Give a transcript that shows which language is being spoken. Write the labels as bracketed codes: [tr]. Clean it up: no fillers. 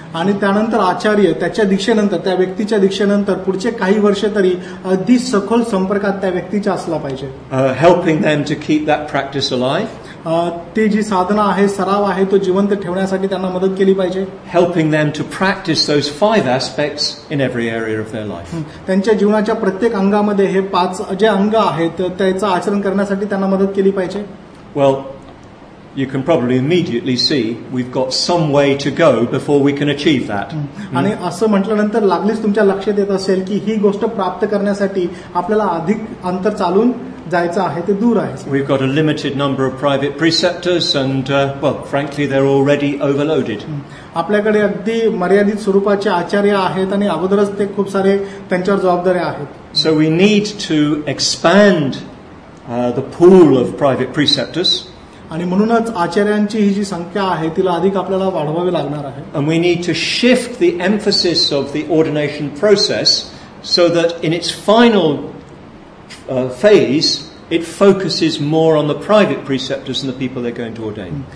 [mr] आणि त्यानंतर आचार्य त्याच्या दीक्षेनंतर, त्या व्यक्तीच्या दीक्षेनंतर पुढचे काही वर्ष तरी अधिक सखोल संपर्कात त्या व्यक्तीच्या असला पाहिजे. [en] Helping them to keep that practice alive. [mr] ते जी साधना आहे, सराव आहे, तो जिवंत ठेवण्यासाठी त्यांना मदत केली पाहिजे. [en] Helping them to practice those five aspects in every area of their life. [mr] त्यांच्या जीवनाच्या प्रत्येक अंगामध्ये हे पाच जे अंग आहेत त्याचं आचरण करण्यासाठी त्यांना मदत केली पाहिजे. [en] Well, you can probably immediately see we've got some way to go before we can achieve that. [mr] आणि असं म्हटल्यानंतर लागलीच तुमच्या लक्षात येत असेल की ही गोष्ट प्राप्त करण्यासाठी आपल्याला अधिक अंतर चालून जायचं आहे, ते दूर आहे. [en] We've got a limited number of private preceptors and well, frankly they're already overloaded. [mr] आपल्याकडे अगदी मर्यादित स्वरूपाचे आचार्य आहेत आणि अगोदरच ते खूप सारे त्यांच्यावर जबाबदाऱ्या आहेत. [en] So we need to expand the pool of private preceptors. [mr] आणि म्हणूनच आचार्यांची ही जी संख्या आहे तिला अधिक आपल्याला वाढवावी लागणार आहे. [en] And we need to shift the emphasis of the ordination process so that in its final phase it focuses more on the private preceptors and the people they're going to ordain.